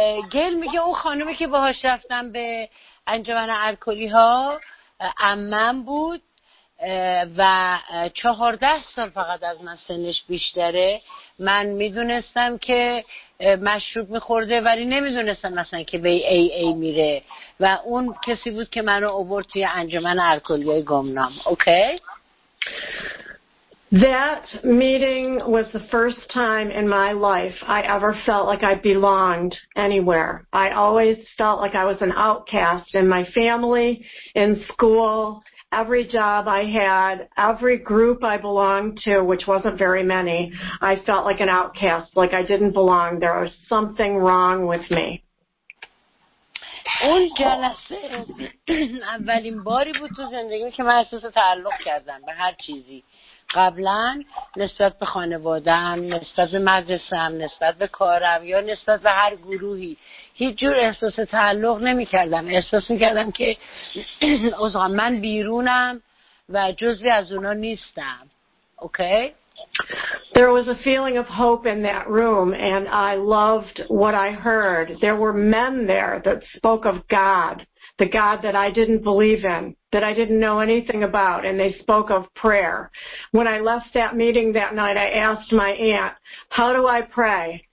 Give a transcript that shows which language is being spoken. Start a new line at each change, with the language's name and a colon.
Persian: گیل میگه اون خانومی که باهاش رفتم به انجمن الکلی ها عمم بود و 14 سال فقط از من سنش بیشتره. من میدونستم که مشروب میخورده ولی نمیدونستم مثلا که به ای ای میره و اون کسی بود که منو آورد توی انجمن الکلی های گمنام. اوکی؟
English: That meeting was the first time in my life I ever felt like I belonged anywhere. I always felt like I was an outcast in my family, in school, every job I had, every group I belonged to, which wasn't very many, I felt like an outcast, like I didn't belong. There was something wrong with me.
Persian: اون جلسه اولین باری بود تو زندگی که من احساس تعلق کردم به هر چیزی. قبلا نسبت به خانواده‌ام، نسبت به مدرسه‌ام، نسبت به کارم یا نسبت به هر گروهی هیچ جور احساس تعلق نمی‌کردم. احساس می‌کردم که از من بیرونم و جزوی از اونا نیستم. اوکی؟
English: There was a feeling of hope in that room, and I loved what I heard. There were men there that spoke of God, the God that I didn't believe in, that I didn't know anything about, and they spoke of prayer. When I left that meeting that night, I asked my aunt, how do I pray?